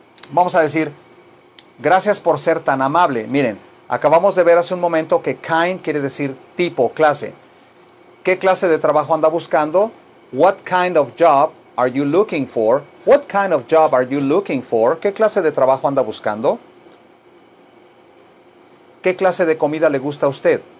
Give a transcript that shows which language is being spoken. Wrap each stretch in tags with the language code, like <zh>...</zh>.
<es>Vamos a decir, gracias por ser tan amable. Miren, acabamos de ver hace un momento que kind quiere decir tipo, clase. ¿Qué clase de trabajo anda buscando?</es> <en>What kind of job are you looking for? What kind of job are you looking for?</en> <es>¿Qué clase de trabajo anda buscando? ¿Qué clase de comida le gusta a usted?</es>